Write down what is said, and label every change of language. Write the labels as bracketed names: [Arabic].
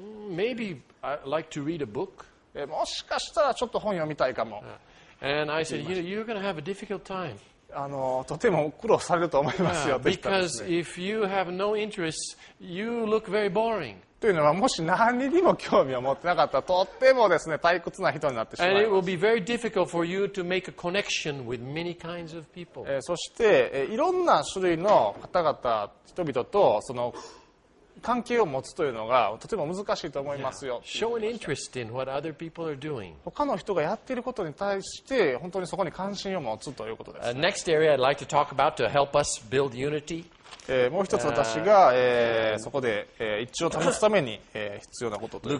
[English] Maybe I'd like to read a book. [Japanese] もしかしたらちょっと本読みたいかも。 [English] And I said, you're going to have a difficult time. [Japanese] とても苦労されると思いますよ。 [English] Because if you have no interest, you look very boring. [Japanese] というのはもし何にも興味を持ってなかったとってもですね退屈な人になってしまいます。 [English] And it will be very difficult for you to make a connection with many kinds of people. [Japanese] そしていろんな種類の方々人々とその関係を持つというのがとても難しいと思いますよ。 [English] Show an interest in what other people are doing. [Japanese] 他の人がやっていることに対して本当にそこに関心を持つということです。 [English] Next area I'd like to talk about to help us build unity. [Japanese] もう一つ私が、そこで、一致を保つために、必要なことというの